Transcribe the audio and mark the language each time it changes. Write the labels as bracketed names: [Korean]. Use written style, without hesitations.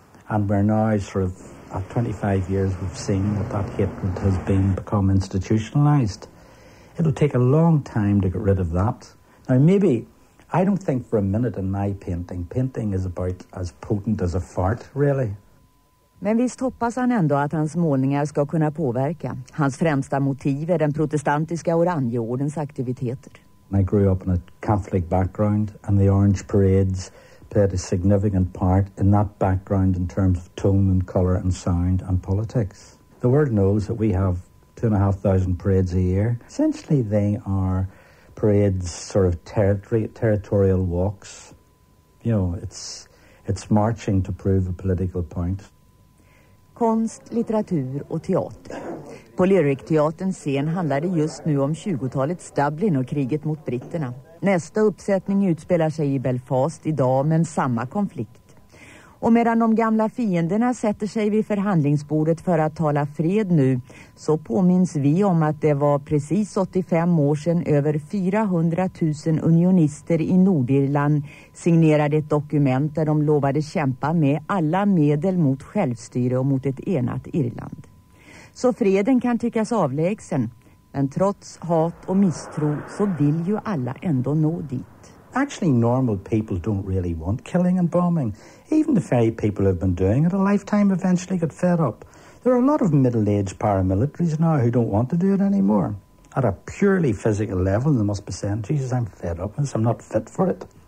[English] And we're now sort of, at 25 years, we've seen that hatred has become institutionalized. It'll take a long time to get rid of that. Now, maybe, I don't think for a minute in my painting is about as potent as a fart, really. [Swedish] Men visst hoppas han ändå att hans målningar ska kunna påverka. Hans främsta motiv är den protestantiska Orangeordens aktiviteter. [English] I grew up in a Catholic background, and the Orange parades played a significant part in that background in terms of tone and colour and sound and politics. The world knows that we have 2,500 parades a year. Essentially, they are parades, sort of territorial walks. You know, it's marching to prove a political point. [Swedish] Konst, litteratur och teater. På Lyric-teaterns scen handlar det just nu om 20-talets Dublin och kriget mot britterna. Nästa uppsättning utspelar sig i Belfast idag, men samma konflikt. Och medan de gamla fienderna sätter sig vid förhandlingsbordet för att tala fred nu, så påminns vi om att det var precis 85 år sedan över 400 000 unionister i Nordirland signerade ett dokument där de lovade kämpa med alla medel mot självstyre och mot ett enat Irland. Så freden kan tyckas avlägsen. And trots hat och misstro så vill ju alla ändå nå dit. [English] Actually, normal people don't really want killing and bombing. Even the very people who have been doing it a lifetime eventually get fed up. There are a lot of middle-aged paramilitaries now who don't want to do it anymore. At a purely physical level, they must be saying, Jesus, I'm fed up and I'm not fit for it.